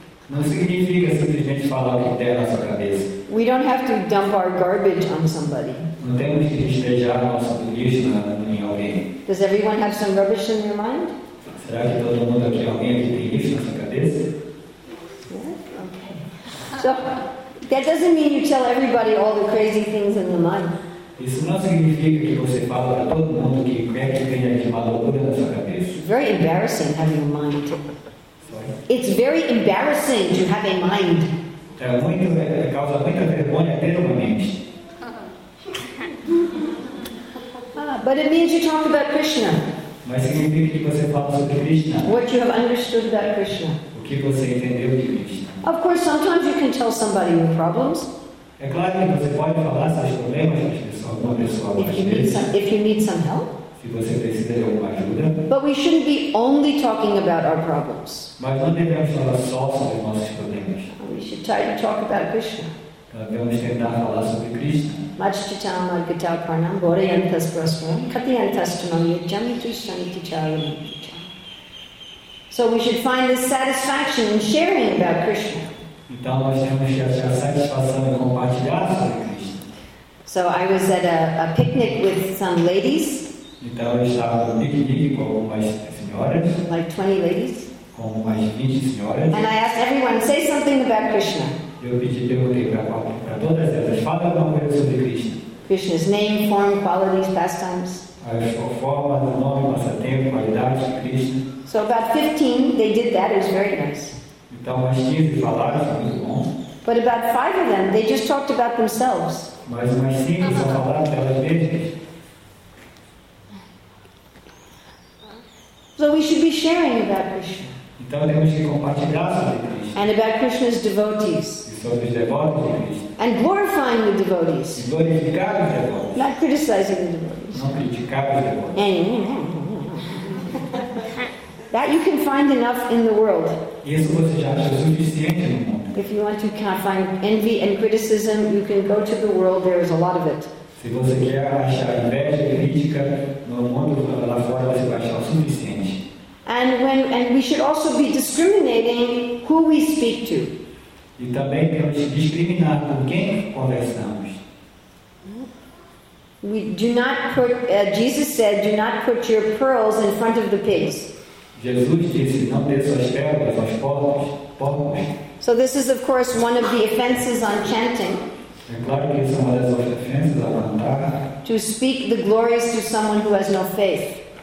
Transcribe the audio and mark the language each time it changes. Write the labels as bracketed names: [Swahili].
[Portuguese] Não significa simplesmente falar o que tem na sua cabeça. [English] We don't have to dump our garbage on somebody. [Portuguese] Não temos que despejar nosso lixo em alguém. [English] Does everyone have some rubbish in their mind? [Portuguese] Será que todo mundo aqui alguém que tem lixo na sua cabeça? [English] Yeah? Okay. So that doesn't mean you tell everybody all the crazy things in the mind. [Portuguese] Isso não significa que você fala para todo mundo que quer que tenha de maloura na sua cabeça. [English] Very embarrassing having a mind. It's very embarrassing to have a mind. [Portuguese] É muito, causa muita vergonha ter uma mente. [English] But it means you talk about Krishna. [Portuguese] Mas significa que você fala sobre Krishna. [English] What you have understood about Krishna. [Portuguese] O que você entendeu de Krishna. [English] Of course, sometimes you can tell somebody your problems. [Portuguese] É claro que você pode falar seus problemas com uma pessoa. [English] If you need some help. [Portuguese] Se você precisa de alguma ajuda. [English] But we shouldn't be only talking about our problems. [Portuguese] Mas não devemos falar só sobre nossos problemas. [English] We should try to talk about Krishna. [Sanskrit] Much chitama gita pranam bore yantas prasvam kati yantas tamami jamitu shanti charam. [English] So we should find this satisfaction in sharing about Krishna. [Portuguese] Então nós temos que achar satisfação em compartilhar sobre Krishna. [English] So I was at a picnic with some ladies. [Portuguese] Então eu estava no piquenique com algumas senhoras. [English] Like 20 ladies. [Portuguese] Com umas 20 senhoras. [English] And I asked everyone, say something about Krishna. [Portuguese] Eu pedi para todas elas, fala alguma coisa sobre Krishna. [English] Krishna's name, form, qualities, pastimes. [Portuguese] A forma, o nome, passatempo, qualidade de Krishna. [English] So about 15, they did that, it was very nice. [Portuguese] Então, umas 15 falaram, foi muito bom. [English] But about 5 of them, they just talked about themselves. [Portuguese] Mas umas 5 só falaram delas mesmas. [English] So we should be sharing about Krishna. [Portuguese] Então, temos que compartilhar sobre Krishna. [English] And about Krishna's devotees. And glorifying the devotees. [Portuguese] Glorificar os devotos. [English] Not criticizing the devotees. [Portuguese] Não criticar os devotos. [English] That you can find enough in the world. [Portuguese] Isso você já acha suficiente no mundo. [English] If you want to find envy and criticism, you can go to the world, there is a lot of it. [Portuguese] Se você quer achar inveja e crítica no mundo, lá fora você vai achar o suficiente. [English] And we should also be discriminating who we speak to. [Portuguese] E também temos que discriminar com quem conversamos. [English] We do not put, Jesus said, do not put your pearls in front of the pigs. [Portuguese] Jesus disse, não dê suas pérolas aos porcos. [English] So this is of course one of the offenses on chanting. [Portuguese] É claro que isso é uma das ofensas a cantar. [English] To speak the glories to someone who has no faith.